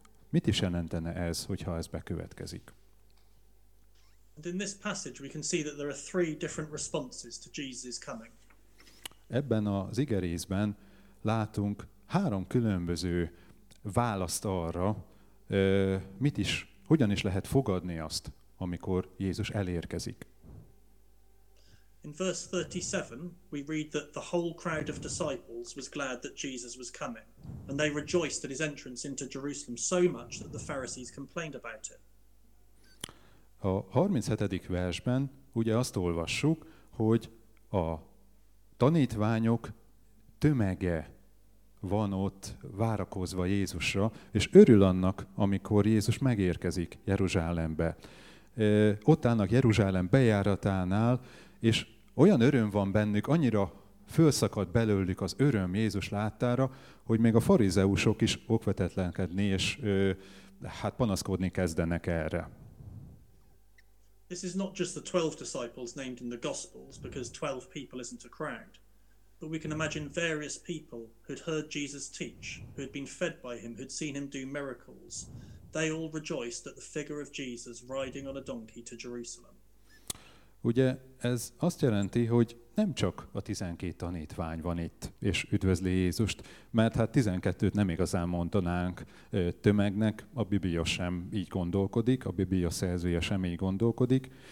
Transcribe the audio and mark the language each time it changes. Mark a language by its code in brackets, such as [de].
[hu] Mit is jelentene ez, hogyha ez bekövetkezik? [en] And in this passage we can see that there are three different responses to Jesus' coming. [hu] Ebben az igerészben látunk három különböző választ arra, mit is, hogyan is lehet fogadni azt, amikor Jézus elérkezik. [en] In verse 37 we read that the whole crowd of disciples was glad that Jesus was coming, and they rejoiced at his entrance into Jerusalem so much that the Pharisees complained about it. [hu] A 37. versben ugye azt olvassuk, hogy a tanítványok tömege van ott várakozva Jézusra, és örül annak, amikor Jézus megérkezik Jeruzsálembe. Ott állnak Jeruzsálem bejáratánál, és olyan öröm van bennük, annyira fölszakad belőlük az öröm Jézus láttára, hogy még a farizeusok is okvetetlenkedni, és hát panaszkodni kezdenek erre. [en] This is not just the 12 disciples named in the Gospels, because 12 people isn't a crowd. But we can imagine various people who'd heard Jesus teach, who'd been fed by him, who'd seen him do miracles. They all rejoiced at the figure of Jesus riding on a donkey to Jerusalem. [hu] Ugye ez azt jelenti, hogy nem csak a 12 tanítvány van itt, és üdvözli Jézust, mert hát 12-t nem igazán mondanánk tömegnek, a Biblia sem így gondolkodik, a Biblia szerzője sem így gondolkodik.